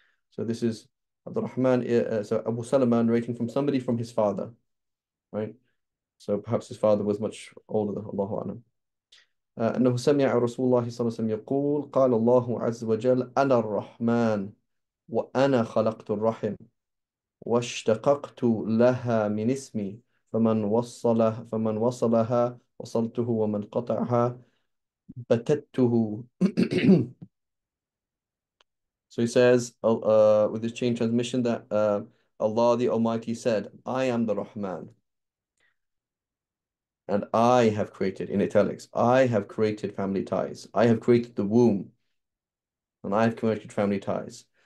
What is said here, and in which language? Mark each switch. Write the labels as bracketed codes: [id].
[en] So this is [ar] عبد الرحمن, [en] so Abu Salama narrating from somebody from his father, right? So perhaps his father was much older, [ar] الله أعلم. أنه سمع رسول الله صلى الله عليه وسلم يقول قال الله عز وجل أنا الرحمن وأنا خلقت الرحم واشتققت لها من اسمي فمن وصلها وصلته ومن قطعها بتته. [en] So he says with this chain transmission that Allah the Almighty said, I am the Rahman. And I have created, in italics, I have created family ties. I have created the womb. And I have created family ties.